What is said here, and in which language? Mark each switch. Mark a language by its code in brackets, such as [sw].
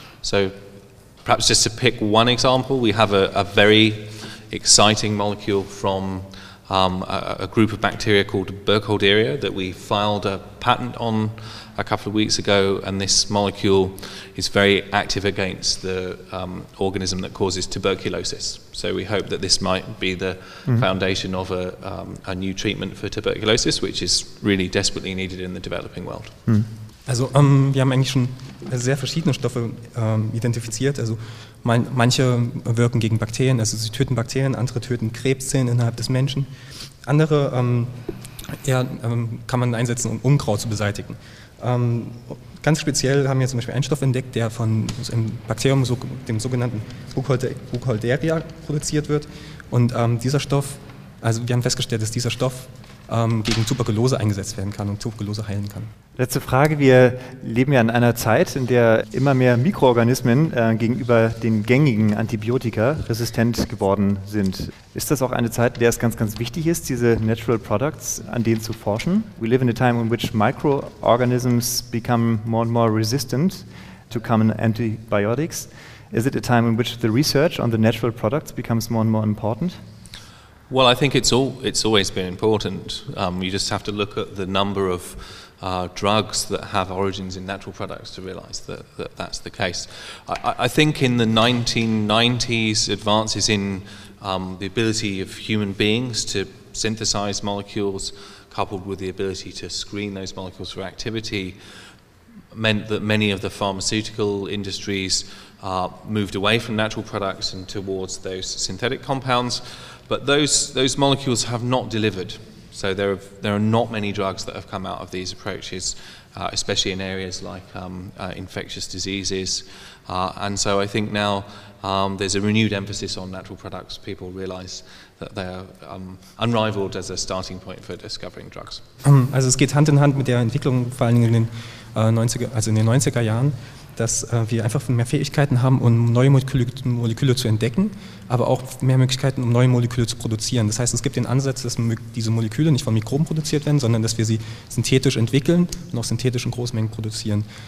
[en] So perhaps just to pick one example, we have a very exciting molecule from a group of bacteria called Burkholderia that we filed a patent on a couple of weeks ago, and this molecule is very active against the organism that causes tuberculosis. So we hope that this might be the foundation of a new treatment for tuberculosis, which is really desperately needed in the developing world. Mm. [de] Also wir haben eigentlich schon sehr verschiedene Stoffe identifiziert. Also manche wirken gegen Bakterien, also sie töten Bakterien, andere töten Krebszellen innerhalb des Menschen. Andere kann man einsetzen, um Unkraut zu beseitigen. Ganz speziell haben wir zum Beispiel einen Stoff entdeckt, der von einem Bakterium, dem sogenannten Burkholderia, produziert wird. Und dieser Stoff, also wir haben festgestellt, dass dieser Stoff gegen Tuberkulose eingesetzt werden kann und Tuberkulose heilen kann. Letzte Frage. Wir leben ja in einer Zeit, in der immer mehr Mikroorganismen gegenüber den gängigen Antibiotika resistent geworden sind. Ist das auch eine Zeit, in der es ganz, ganz wichtig ist, diese natural products, an denen zu forschen? [en] We live in a time in which microorganisms become more and more resistant to common antibiotics. Is it a time in which the research on the natural products becomes more and more important? Well, I think it's always been important. You just have to look at the number of drugs that have origins in natural products to realize that that's the case. I think in the 1990s, advances in the ability of human beings to synthesize molecules, coupled with the ability to screen those molecules for activity, meant that many of the pharmaceutical industries moved away from natural products and towards those synthetic compounds. But those molecules have not delivered. So there are not many drugs that have come out of these approaches, especially in areas like infectious diseases. And so I think now there's a renewed emphasis on natural products. People realize that they're unrivaled as a starting point for discovering drugs. [de] Also es geht Hand in Hand mit der Entwicklung, vor allem in den 90er Jahren, dass wir einfach mehr Fähigkeiten haben, um neue Moleküle zu entdecken, aber auch mehr Möglichkeiten, um neue Moleküle zu produzieren. Das heißt, es gibt den Ansatz, dass diese Moleküle nicht von Mikroben produziert werden, sondern dass wir sie synthetisch entwickeln und auch synthetisch in Großmengen produzieren.